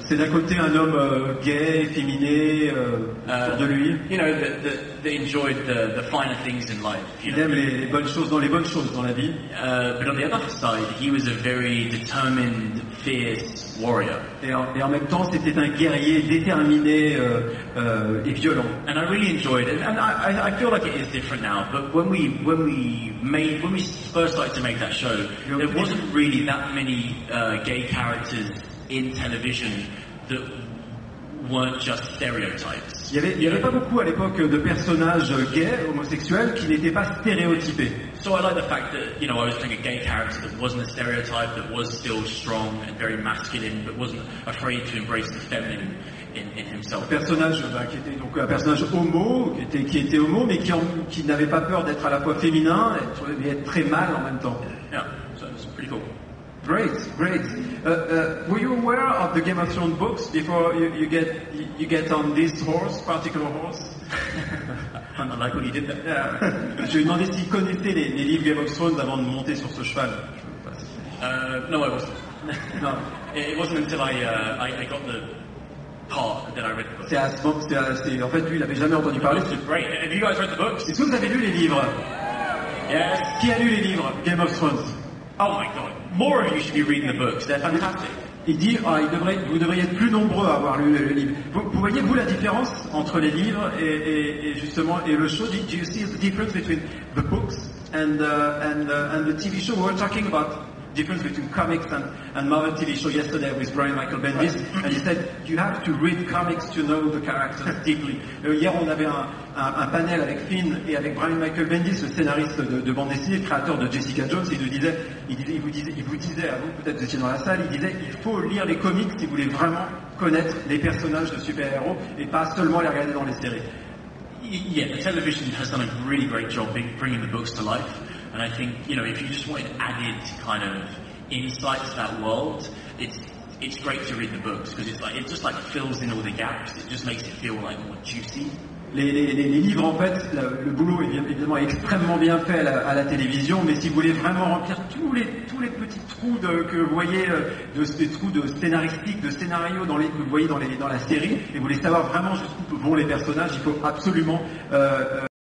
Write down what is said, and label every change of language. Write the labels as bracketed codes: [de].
[fr] C'est d'un côté un homme gay, efféminé, de lui. [en] You know, that enjoyed the finer things in life. [fr] Il aime les bonnes choses dans la vie. [en] But on the other side, he was a very determined, fierce warrior. [fr] Et en même temps, c'était un guerrier déterminé et violent. [en] And I really enjoyed it. And I feel like it is different now. But when we first started to make that show, there wasn't really that many gay characters in television that weren't just stereotypes. [fr] Il y avait pas beaucoup à l'époque de personnages gays, homosexuels, qui n'étaient pas stéréotypés. [en] So I like the fact that, you know, I was playing a gay character that wasn't a stereotype, that was still strong and very masculine, but wasn't afraid to embrace the feminine in himself. [fr] Un personnage homo, mais qui n'avait pas peur d'être à la fois féminin, mais être très mâle en même temps. [en] Yeah. So, was pretty cool. Great, great. Were you aware of the Game of Thrones books before you get on this horse, particular horse? I'm not like what he did that. Yeah. [fr] Je lui ai demandé s'il connaissait les livres Game of Thrones avant de monter sur ce cheval. [en] No, I wasn't. No. It wasn't until I got the part that I read the book. [fr] En fait, lui, il n'avait jamais entendu [en] the [fr] parler. [en] Books are great. Have you guys read the books? [fr] Est-ce que vous avez lu les livres? [en] Yes. [fr] Qui a lu les livres Game of Thrones? [en] Oh my God. More of you should be reading the books. They're fantastic. [fr] Il dit, oh, vous devriez être plus nombreux à avoir lu le livre. Vous voyez-vous la différence entre les livres et justement et le show? [en] Do you see the difference between the books and the TV show? We were talking about difference between comics and Marvel TV show yesterday with Brian Michael Bendis, right. And he said you have to read comics to know the characters deeply. [fr] Hier on avait un panel avec Finn et avec Brian Michael Bendis, le scénariste de bande dessinée, créateur de Jessica Jones. Il vous disait, peut-être vous étiez dans la salle, il disait il faut lire les comics si vous voulez vraiment connaître les personnages de super-héros et pas seulement les regarder dans les séries. [en] Yeah, the television has done a really great job bringing the books to life. And I think, you know, if you just want added kind of insight to that world, it's great to read the books because it just fills in all the gaps. It just makes it feel like more juicy. [fr] Les livres, en fait, le boulot est évidemment extrêmement bien fait à la télévision, mais si vous voulez vraiment remplir tous les petits trous que vous voyez, des trous de scénaristique, de scénario que vous voyez dans la série, et vous voulez savoir vraiment jusqu'où vont les personnages, il faut absolument